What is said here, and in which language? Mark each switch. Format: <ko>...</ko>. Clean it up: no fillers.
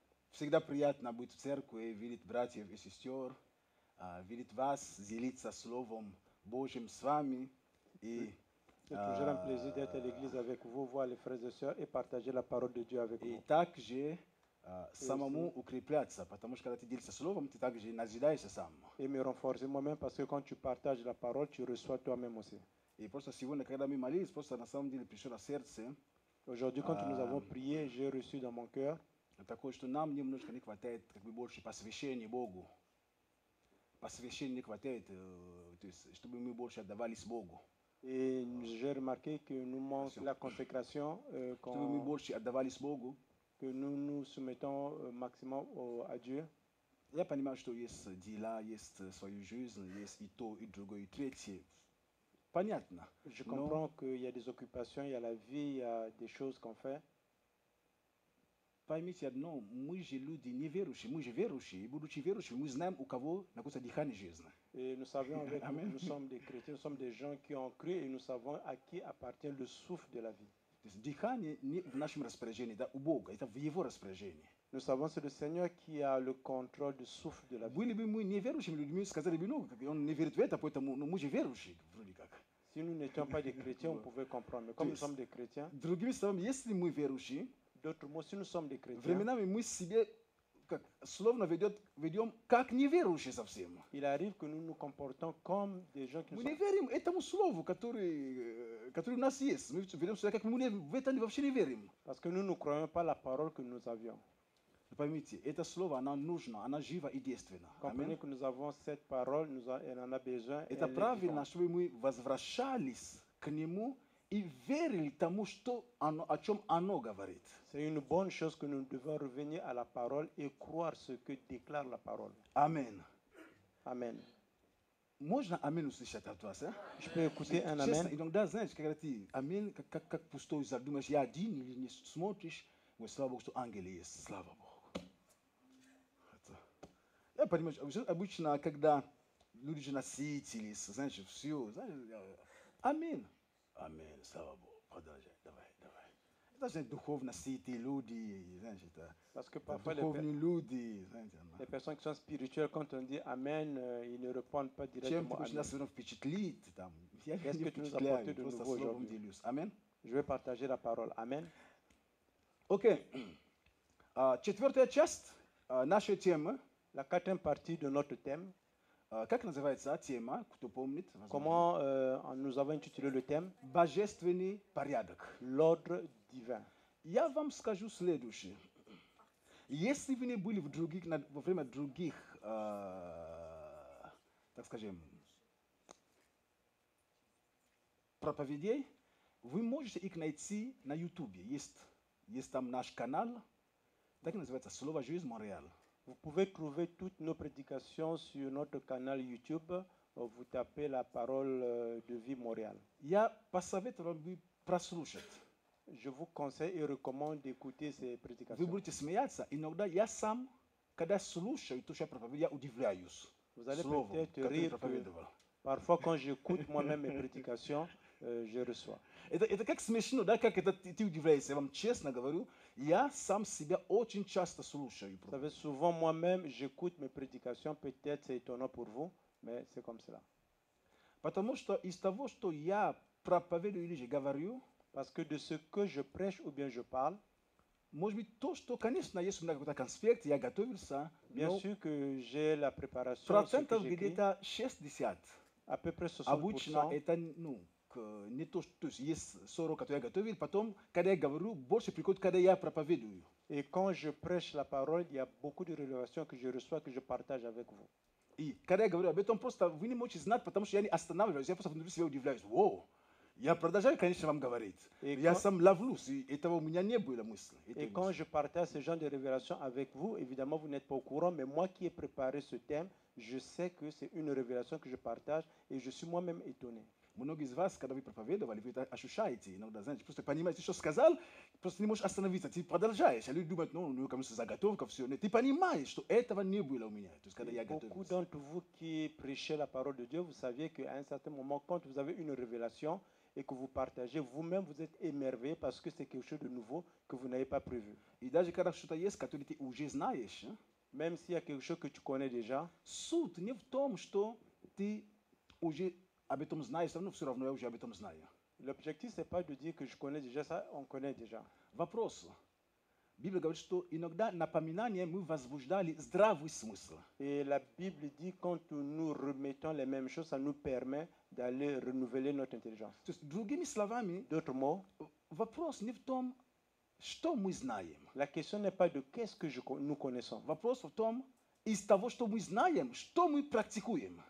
<ru>всегда приятно быть в церкви, видеть братьев и сестер, видеть вас, делиться Словом Божьим с вами. И</ru> <fr>C'est toujours un plaisir d'être à l'église avec vous, voir les frères et sœurs et partager la parole de Dieu avec vous.</fr> <ru>Также самому укрепляться, потому что когда ты делишься словом, ты также назидаешься сам.</ru> <fr>Et me renforcer moi-même parce que quand tu partages la parole, tu reçois toi-même aussi.</fr> <ru>И просто сегодня, когда мы молились, просто на самом деле пришло на сердце.</ru> <fr>Aujourd'hui, quand nous avons prié, j'ai reçu dans mon cœur.</fr> <ru>Такое, что нам немножко не хватает как бы больше посвящения Богу. Посвящения не хватает, то есть, чтобы мы больше отдавались Богу.</ru> <fr>Et j'ai remarqué que nous manque la consécration que nous nous soumettons maximum à Dieu. Il n'y a pas d'image de ce dit-là, il y a ce soit juge, il y a ce</fr> <ru>Понятно.</ru> <fr>Je comprends qu'il y a des occupations, il y a la vie, il y a des choses qu'on fait.</fr> <ru>Поймите одно, мы же люди неверующие, мы же верующие, и будучи верующими, мы знаем, у кого находится дыхание жизни.</ru> <fr>Et nous savons, avec nous, nous sommes des chrétiens, nous sommes des gens qui ont cru, et nous savons à qui appartient le souffle de la vie.</fr> <ru>Дыхание не в нашем распоряжении, да, у Бога, это в Его распоряжении.</ru> <fr>Nous savons, c'est le Seigneur qui a le contrôle du souffle de la vie.</fr> <ru>Были бы мы неверующими людьми, сказали бы, ну, он не верит в это, поэтому, ну, мы же верующие, вроде как.</ru> <fr>Si nous n'étions pas des chrétiens, on pouvait comprendre, mais comme nous sommes des chrétiens...</fr> <ru>Другими словами, если мы верующие,</ru> <fr>d'autres mots, si nous sommes des chrétiens,</fr> <ru>временами мы себе как, словно ведем как неверующие совсем.</ru> <fr>Il arrive que nous nous comportons comme des gens qui</fr> <ru>мы не верим этому слову, который у нас есть. Мы ведем себя как мы не, в это вообще не верим.</ru> <fr>Parce que nous ne croyons pas la parole que nous avions.</fr> <ru>Поймите, это слово, оно нужно, оно живо и действенно.</ru> <fr>Comprenez que nous avons cette parole, elle en a besoin.</fr> <ru>Это правильно, чтобы мы возвращались к нему и верили тому, что оно, о чем оно говорит.</ru> <fr>C'est une bonne chose que nous devons revenir à la parole et croire ce que déclare la parole. Amen. Amen.</fr> <ru>Можно амин услышать от вас, а?</ru> <fr>Je peux écouter un amen.</fr> <ru>И тогда, знаешь, когда ты амин, как пустой задумаешь, я один или не смотришь, говорю, слава Богу, что ангелы есть, слава Богу. Это. Я понимаю, обычно, когда люди же насытились, знаешь, все, знаешь, амин. Амин, слава Богу, продолжай, давай. Это же духовно сытые люди, знаешь, это</ru> <fr>parce que parfois</fr> <ru>духовные люди.</ru> <fr>Les personnes qui sont spirituelles, quand on dit Amen, ils ne répondent pas directement.</fr> <ru>Чем ты можешь нас впечатлить там?</ru> <fr>Qu'est-ce que tu nous apportes de nouveau aujourd'hui? Amen. Je vais partager la parole. Amen. Ok.</fr> <ru>Четвертая часть нашей темы.</ru> <fr>La quatrième partie de notre thème.</fr> <ru>Как называется тема, кто помнит?</ru> <fr>Comment nous avons intitulé le thème?</fr> <ru>Божественный порядок.</ru> <fr>L'ordre divin.</fr> <ru>Я вам скажу следующее. Если вы не были во время других, так скажем, проповедей, вы можете их найти на YouTube. Есть там наш канал. Так называется «Слово жизни Монреал».</ru> <fr>Vous pouvez trouver toutes nos prédications sur notre canal YouTube. Vous tapez la parole de vie Montréal. Je vous conseille et recommande d'écouter ces prédications. Vous allez peut-être rire. Parfois, quand j'écoute moi-même mes prédications, je reçois.</fr> <ru>Это как смешно, да, как это ты удивляешься. Я вам честно говорю, я сам себя очень часто слушаю.</ru> <fr>Vous savez, souvent moi-même, j'écoute mes prédications. Peut-être c'est étonnant pour vous, mais c'est comme cela.</fr> <ru>Потому что из того, что я проповедую или же говорю,</ru> <fr>parce que de ce que je prêche ou bien je parle,</fr> <ru>может быть, то, что, конечно, есть у меня какой-то конспект, я готовился.</ru> <fr>Bien sûr que j'ai la préparation.</fr> <ru>Процентов где-то 60.</ru> <fr>À peu près 60%.</fr> <ru>Обычно это, ну, не то, то есть есть 40, которые я готовил, потом, когда я говорю, больше приходит, когда я проповедую.</ru> <fr>Et quand je prêche la parole, il y a beaucoup de révélations que je reçois, que je partage avec vous.</fr> <ru>И когда я говорю об этом, просто вы не можете знать, потому что я не останавливаюсь, я просто внутри себя удивляюсь. Воу! Я продолжаю, конечно, вам говорить. Et я сам ловлюсь, и этого у меня не было мысли.</ru> <fr>Et quand je partage ce genre de révélations avec vous, évidemment, vous n'êtes pas au courant, mais moi qui ai préparé ce thème, je sais que c'est une révélation que je partage et je suis moi-même étonné.</fr> <ru>Многие из вас, когда вы проповедовали, вы это ощущаете иногда, знаете, просто понимаете, что сказал, просто не можешь остановиться, ты продолжаешь. А люди думают, ну, у него какая-то заготовка, все. Нет, ты понимаешь, что этого не было у меня, то есть, когда я готовился.</ru> <fr>Beaucoup d'entre vous qui prêchez la parole de Dieu, vous saviez qu'à un certain moment, quand vous avez une révélation et que vous partagez, vous-même, vous êtes émerveillé parce que c'est quelque chose de nouveau que vous n'avez pas prévu.</fr> <ru>И даже когда что-то есть, которое ты уже знаешь,</ru> <fr>même s'il y a quelque chose que tu connais déjà,</fr> <ru>суть не в том, что ты уже об этом знаешь, но все равно я уже об этом знаю.</ru> <fr>L'objectif, ce n'est pas de dire que je connais déjà ça, on connaît déjà.</fr> <ru>Вопрос. Библия говорит, что иногда напоминание мы возбуждали здравый смысл.</ru> <fr>Et la Bible dit quand nous remettons les mêmes choses, ça nous permet d'aller renouveler notre intelligence.</fr> <ru>То есть, другими словами,</ru> <fr>d'autres mots,</fr> <ru>вопрос не в том, что мы знаем.</ru> <fr>La question n'est pas de qu'est-ce que nous connaissons.</fr> <ru>Вопрос в том, из того, что мы знаем, что мы практикуем.</ru>